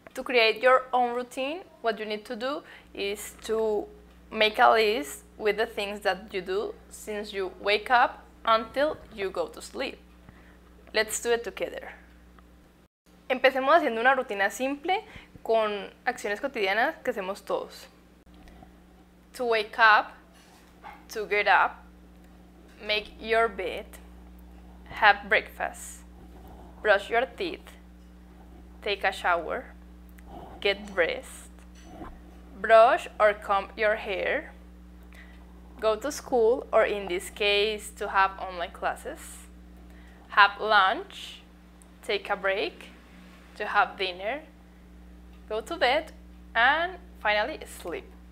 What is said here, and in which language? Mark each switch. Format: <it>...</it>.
<en>To create your own routine, what you need to do is to make a list with the things that you do since you wake up until you go to sleep. Let's do it together.</en> <es>Empecemos haciendo una rutina simple con acciones cotidianas que hacemos todos.</es> <en>To wake up, to get up, make your bed, have breakfast, brush your teeth, take a shower, get dressed, brush or comb your hair, go to school or in this case to have online classes, have lunch, take a break, to have dinner, go to bed, and finally sleep.</en>